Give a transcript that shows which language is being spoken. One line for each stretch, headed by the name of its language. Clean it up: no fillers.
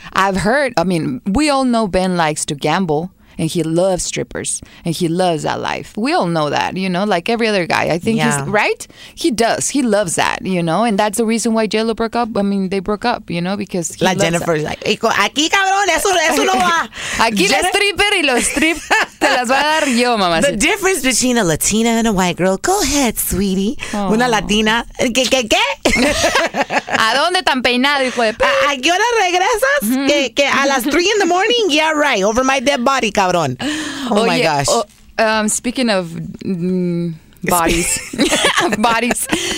English: I've heard, I mean, we all know Ben likes to gamble, and he loves strippers, and he loves that life. We all know that, you know, like every other guy. I think he's, right? He does. He loves that, you know, and that's the reason why J-Lo broke up. I mean, they broke up, you know, because he loves Jennifer's that.
Spanish: Like, aquí, cabrón, eso no va. Aquí la stripper y los strip te las va a dar yo, mamá.
English: The difference between a Latina and a white girl. Go ahead, sweetie. Aww.
Spanish: Una Latina. ¿Qué? ¿A dónde tan peinado, hijo de puta? ¿A qué hora regresas? ¿Que a las 3
English: in the morning? Yeah, right. Over my dead body.
Spanish: Cabrón.
English: Oh my gosh. Speaking of bodies. Bodies.